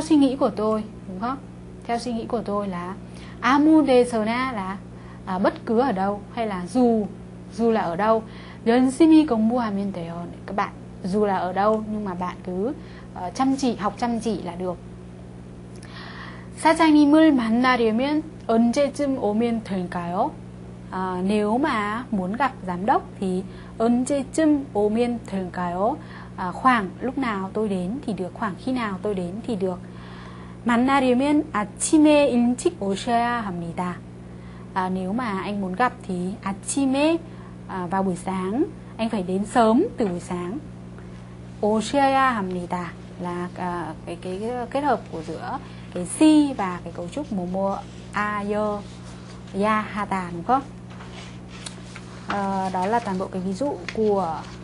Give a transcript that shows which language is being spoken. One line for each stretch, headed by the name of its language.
Vietnamese: suy nghĩ của tôi, đúng không? Theo suy nghĩ của tôi là
Korean: 아무 데서나
Vietnamese: là bất cứ ở đâu hay là dù là ở đâu,
Korean: 열심히 공부하면 돼요.
Vietnamese: Các bạn dù là ở đâu nhưng mà bạn cứ chăm chỉ học chăm chỉ là được.
Korean: 사장님을 만나려면 언제쯤 오면 될까요?
Vietnamese: Nếu mà muốn gặp giám đốc thì
Korean: 언제쯤 오면 될까요?
Vietnamese: Khoảng lúc nào tôi đến thì được, khoảng khi nào tôi đến thì được.
Korean: 만나려면 아침에 일찍 오셔야 합니다.
Vietnamese: Nếu mà anh muốn gặp thì
Korean: 아침에
Vietnamese: vào buổi sáng, anh phải đến sớm từ buổi sáng.
Korean: 오셔야 합니다
Vietnamese: là cái kết hợp của giữa cái si và cái cấu trúc
Korean: 모모 아여 야 하다
Vietnamese: đúng không? Đó là toàn bộ cái ví dụ của